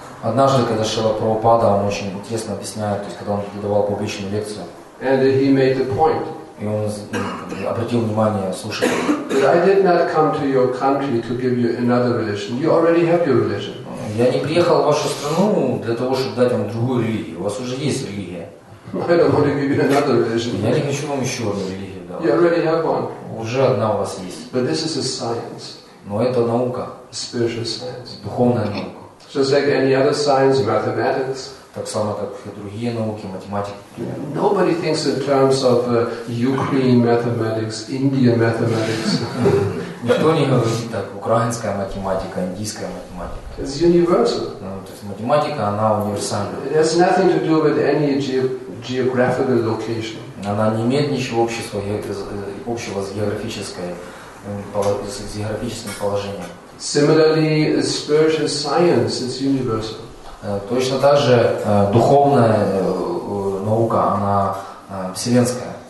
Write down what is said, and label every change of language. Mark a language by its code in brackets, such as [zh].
[ru] Однажды, когда Шрила Прабхупада, он очень интересно объясняет, то есть когда он давал публичную лекцию. [en] And he made the point. [ru] И он обратил внимание слушателей. [en] I did not come to your country to give you another religion. You already have your religion. [ru] Я не приехал в вашу страну для того, чтобы дать вам другую религию. У вас уже есть религия. [en] I don't want to give you another religion. [ru] Я не хочу вам еще одну религию давать. [en] You already have one. [ru] Уже одна у вас есть. [en] But this is a science. [ru] Но это наука. [en] Spiritual science. [ru] Духовная наука. [en] Just like any other science, mathematics. [ru] Так само, как и другие науки, математики. [en] Nobody thinks in terms of Ukraine mathematics, Indian mathematics. [ru] Никто не говорит так. Украинская математика, индийская математика. [en] It's universal. [ru] То есть математика, она универсальна. [en] It has nothing to do with any geographical location. [ru] Она не имеет ничего общего с географическим положением. [en] Similarly, spiritual science is universal. [ru] Точно так же духовная наука, она вселенская.